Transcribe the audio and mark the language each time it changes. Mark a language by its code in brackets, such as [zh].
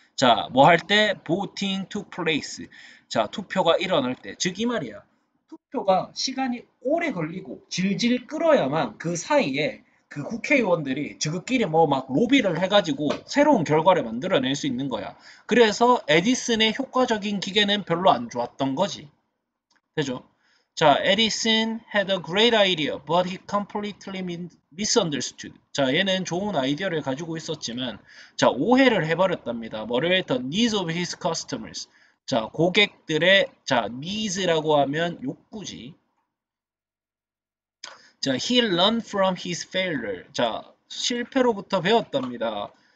[ko] 자, 뭐할 때? [en] Voting took place. [ko] 자, 투표가 일어날 때. 즉, 이 말이야. 투표가 시간이 오래 걸리고 질질 끌어야만 그 사이에 그 국회의원들이 저그끼리 뭐막 로비를 해가지고 새로운 결과를 만들어낼 수 있는 거야. 그래서 에디슨의 효과적인 기계는 별로 안 좋았던 거지. 되죠? [en] 자, 에디슨 had a great idea, but he completely misunderstood. [ko] 자, 얘는 좋은 아이디어를 가지고 있었지만, 자, 오해를 해버렸답니다. 뭐를? [en] The needs of his customers. [ko] 자, 고객들의, 자, needs라고 하면 욕구지. [en] 자, he learned from his failure. [ko] 자, 실패로부터 배웠답니다.